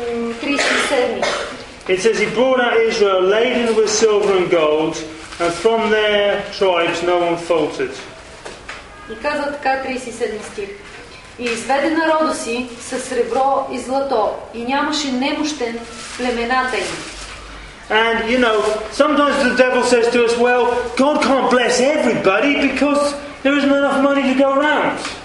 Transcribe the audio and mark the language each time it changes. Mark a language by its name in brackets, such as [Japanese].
[English] It says, He brought out Israel laden with silver and gold, and from their tribes no one faltered. [Bulgarian] И казва така 37 стих. И изведе народа си със сребро и злато, и нямаше немощен племената им. [English] And you know, sometimes the devil says to us, well, God can't bless everybody because there isn't enough money to go around.